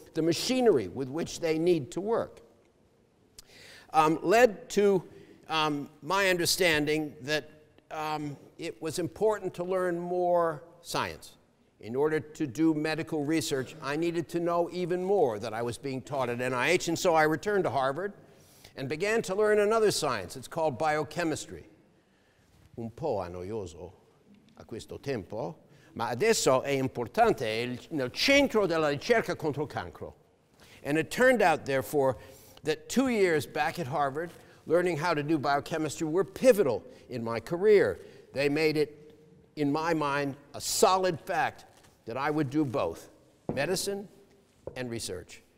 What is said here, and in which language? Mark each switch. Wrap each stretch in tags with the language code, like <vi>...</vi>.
<en>the machinery with which they need to work. Led to my understanding that it was important to learn more science. In order to do medical research, I needed to know even more than I was being taught at NIH, and so I returned to Harvard and began to learn another science. It's called biochemistry.</en> <it>Un po' annoioso a questo tempo, ma adesso è importante, è nel centro della ricerca contro il cancro.</it> <en>And it turned out, therefore, that 2 years back at Harvard, learning how to do biochemistry were pivotal in my career. They made it, in my mind, a solid fact that I would do both, medicine and research.</en>